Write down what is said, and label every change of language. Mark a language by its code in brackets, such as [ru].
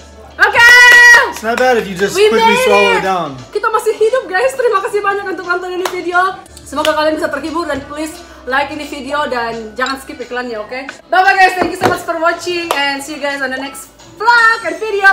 [en] It's not bad if you just quickly swallow it down. [id] Kita masih hidup, guys. Terima kasih banyak untuk nonton ini video. Semoga kalian bisa terhibur dan [en] please like [id] ini video dan jangan skip iklannya, okay? [en] Bye bye, guys. Thank you so much for watching and see you guys on the next vlog and video.